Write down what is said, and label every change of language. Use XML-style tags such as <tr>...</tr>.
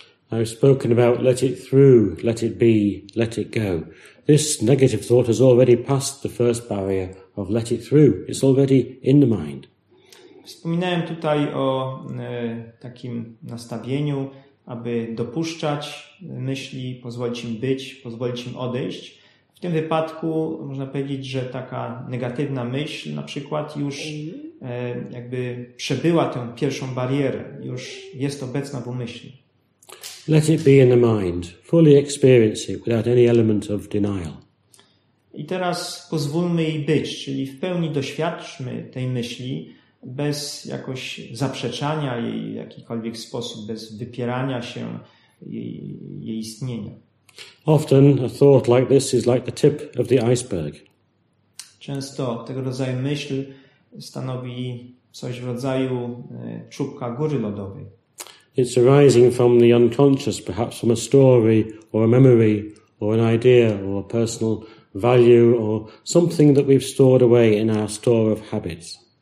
<en>I've spoken about let it through, let it be, let it go. This negative thought has already passed the first barrier of let it through. It's already in the mind.</en> <pl>Wspominałem tutaj o takim nastawieniu, aby dopuszczać myśli, pozwolić im być, pozwolić im odejść. W tym wypadku można powiedzieć, że taka negatywna myśl na przykład już jakby przebyła tę pierwszą barierę, już jest obecna w umyśle.</pl> <en>Let it be in the mind, fully experience it without any element of denial.</en> <pl>I teraz pozwólmy jej być, czyli w pełni doświadczmy tej myśli bez jakoś zaprzeczania jej w jakikolwiek sposób, bez wypierania się jej istnienia.</pl> <en>Often a thought like this is like the tip of the iceberg.</en> <pl>Często tego rodzaju myśl stanowi coś w rodzaju czubka góry lodowej.</pl> <en>It's arising from the unconscious, perhaps from a story or a memory or an idea or a personal value or something that we've stored away in our store of habits.</en>